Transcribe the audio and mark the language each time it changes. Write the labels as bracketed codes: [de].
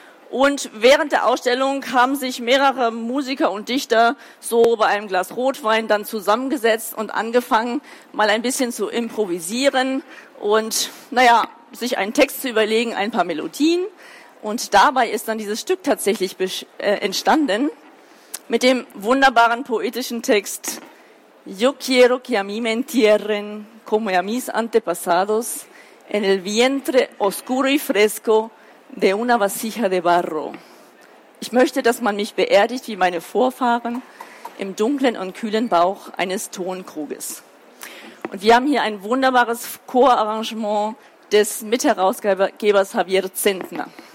[de] Und während der Ausstellung haben sich mehrere Musiker und Dichter so bei einem Glas Rotwein dann zusammengesetzt und angefangen, mal ein bisschen zu improvisieren und, naja, sich einen Text zu überlegen, ein paar Melodien. Und dabei ist dann dieses Stück tatsächlich entstanden mit dem wunderbaren poetischen Text [es] Yo quiero que a mí me entierren como a mis antepasados, en el vientre oscuro y fresco de una vasija de barro. [de] Ich möchte, dass man mich beerdigt wie meine Vorfahren im dunklen und kühlen Bauch eines Tonkruges. Und wir haben hier ein wunderbares Chorarrangement des Mitherausgebers Javier Zentner.